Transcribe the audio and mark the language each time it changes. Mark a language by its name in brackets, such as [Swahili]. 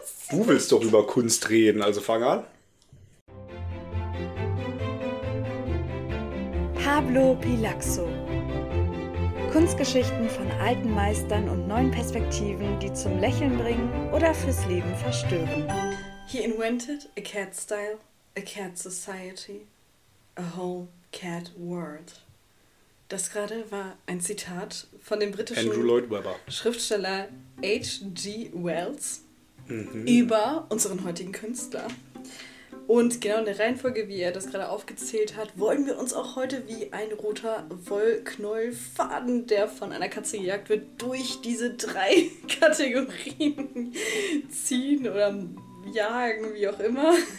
[German] du willst doch über Kunst reden, also fang an. Pablo Pilaxo. Kunstgeschichten von alten Meistern und neuen Perspektiven, die zum Lächeln bringen oder fürs Leben verstören. [English] He invented a cat style, a cat society, a whole cat world. [German] Das gerade war ein Zitat von dem britischen Andrew Lloyd Webber. Schriftsteller H.G. Wells über unseren heutigen Künstler. Und genau in der Reihenfolge, wie er das gerade aufgezählt hat, wollen wir uns auch heute wie ein roter Wollknäuelfaden, der von einer Katze gejagt wird, durch diese drei Kategorien ziehen oder jagen, wie auch immer.